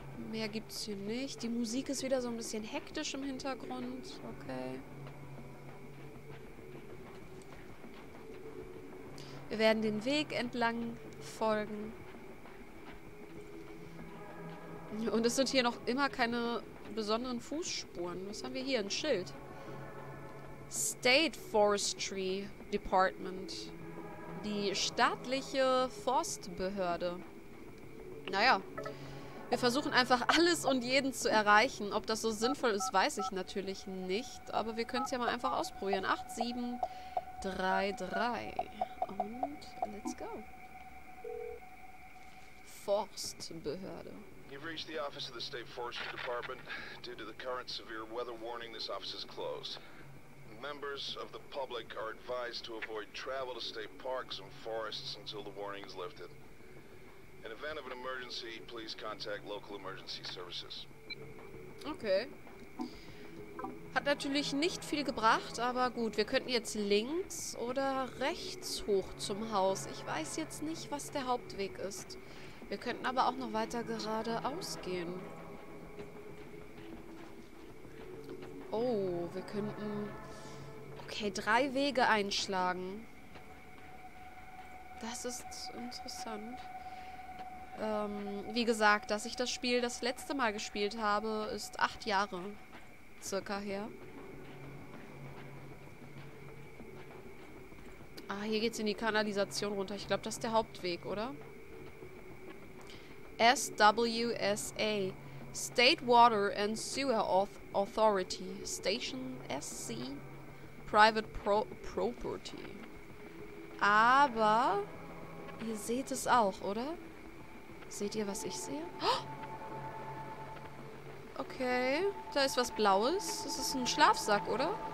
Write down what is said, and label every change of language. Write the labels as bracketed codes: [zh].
[de] Mehr gibt's hier nicht. Die Musik ist wieder so ein bisschen hektisch im Hintergrund. Okay. Wir werden den Weg entlang folgen. Und es sind hier noch immer keine besonderen Fußspuren. Was haben wir hier? Ein Schild. [en] State Forestry Department. [de] Die staatliche Forstbehörde. Naja, wir versuchen einfach alles und jeden zu erreichen. Ob das so sinnvoll ist, weiß ich natürlich nicht. Aber wir können es ja mal einfach ausprobieren. [en] 8733. [de] Und [en] let's go. [de] Forstbehörde. [en] You've reached the office of the State Forestry Department. Due to the current severe weather warning, this office is closed. Members of the public are advised to avoid travel to state parks and forests until the warning is lifted. In event of an emergency, please contact local emergency services. Okay. [de] Hat natürlich nicht viel gebracht, aber gut, wir könnten jetzt links oder rechts hoch zum Haus. Ich weiß jetzt nicht, was der Hauptweg ist. Wir könnten aber auch noch weiter geradeaus gehen. Oh, wir könnten... Okay, drei Wege einschlagen. Das ist interessant. Wie gesagt, dass ich das Spiel das letzte Mal gespielt habe, ist 8 Jahre circa her. Ah, hier geht's in die Kanalisation runter. Ich glaube, das ist der Hauptweg, oder? [en] SWSA. State Water and Sewer Authority. Station SC. Private Property. [de] Aber ihr seht es auch, oder? Seht ihr, was ich sehe? Okay, da ist was Blaues. Das ist ein Schlafsack, oder?